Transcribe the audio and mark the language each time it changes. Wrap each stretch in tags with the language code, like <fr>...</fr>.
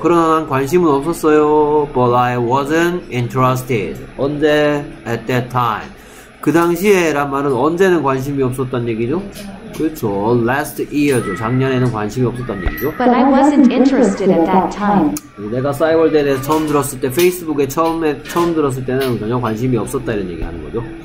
<ko>그러나 난 관심은 없었어요.</ko> <en>But I wasn't interested.</en> <ko>언제?</ko> <en>At that time.</en> <ko>그 당시에란 말은 언제는 관심이 없었단 얘기죠? 그렇죠. Last year죠. 작년에는 관심이 없었단 얘기죠.</ko> <en>But I wasn't interested at that time.</en> <ko>내가 사이월드에 대해서 처음 들었을 때, 페이스북에 처음 들었을 때는 전혀 관심이 없었다 이런 얘기 하는 거죠.</ko>